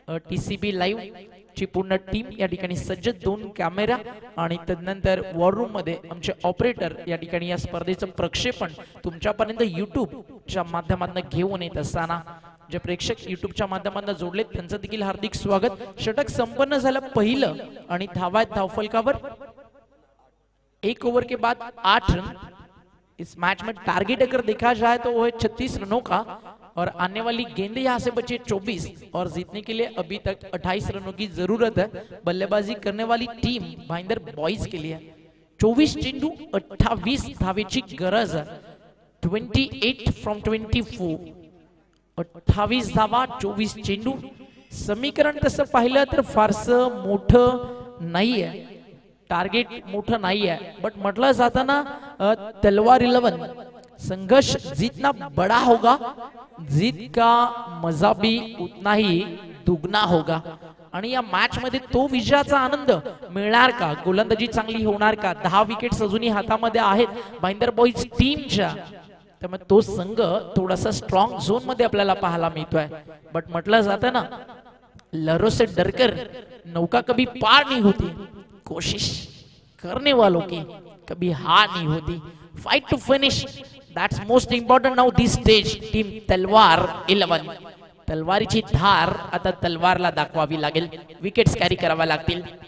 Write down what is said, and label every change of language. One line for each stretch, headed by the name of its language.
Marathi: TCB live ची पूर्ण team या ठिकाणी सज्ज दोन कॅमेरा आणि तदनंतर वॉर रूम मध्ये आमचे ऑपरेटर या ठिकाणी या स्पर्धेचं प्रक्षेपण तुमच्यापर्यंत युट्यूबच्या माध्यमातून घेऊन येत असताना जे प्रेक्षक युट्यूबच्या माध्यमातून जोडलेत त्यांचं देखील हार्दिक स्वागत. षटक संपन्न झालं पहिलं आणि धावायत धावफलकावर
Hindi: एक ओव्हर के बाद 8 रन. इस मॅच में टार्गेट अगर देखा जाए तो वो है 36 रनों का और आने वाली गेंद यहां से बचे 24 और जीतने के लिए अभी तक 28 रनों की जरूरत है. बल्लेबाजी करने वाली टीम भाईंदर बॉयज के लिए
Marathi: 24 चेंडू 28 धावे
Hindi: की गरज है.
English: 28 from 24
Marathi: 28 धावा 24 चेंडू समीकरण तस पाहिलं तर फारसं मोठं नाही आहे. टार्गेट मोठं नाही आहे बट म्हटलं जाताना तलवार 11
Hindi: संघर्ष जितना बड़ा होगा जीत का मजा भी उतना ही दुगना होगा.
Marathi: आणि या मॅच मध्ये तो विजयाचा आनंद मिळणार का गोलंदाजी चांगली होणार का 10 विकेट अजूनही हातामध्ये आहेत भाईंदर बॉईज टीमच्या त्यामुळे तो संघ थोडासा स्ट्रॉंग झोन मध्ये आपल्याला पाहायला मिळतोय. बट म्हटलं जातं ना
Hindi: लहरों से डरकर नौका कभी पार नहीं होती कोशिश करने वालों की कभी हार नहीं होती.
English: Fight to finish that's most important now this stage.
Marathi: Team तलवार 11 तलवारीची धार आता तलवारला दाखवावी लागेल विकेट्स कॅरी कराव्या लागतील.